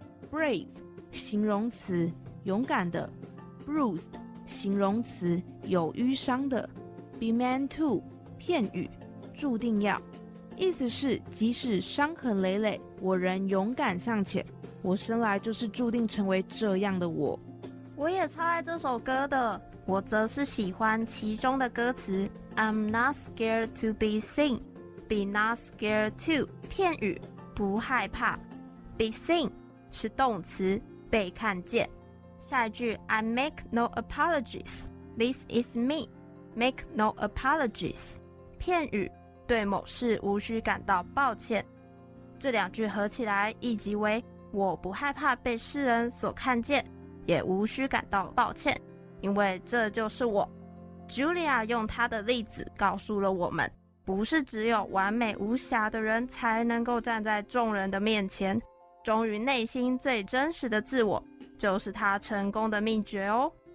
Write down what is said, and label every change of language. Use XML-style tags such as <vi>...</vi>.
<zh>Brave 形容词，勇敢的， bruised 形容词，有淤伤的，</zh> <en>be meant to</en> <zh>片语，注定要，意思是即使伤痕累累，我仍勇敢向前，我生来就是注定成为这样的我。我也超爱这首歌的，我则是喜欢其中的歌词</zh> <en>I'm not scared to be seen, be not scared to</en> <zh>片语，不害怕，</zh> <en>be seen</en> <zh>是动词，被看见。下一句</zh> <en>I make no apologies, this is me, make no apologies</en> <zh>片语，对某事无需感到抱歉。这两句合起来意即为，我不害怕被世人所看见，也无需感到抱歉，因为这就是我。 Julia 用她的例子告诉了我们，不是只有完美无瑕的人才能够站在众人的面前，忠于内心最真实的自我就是她成功的秘诀哦。</zh>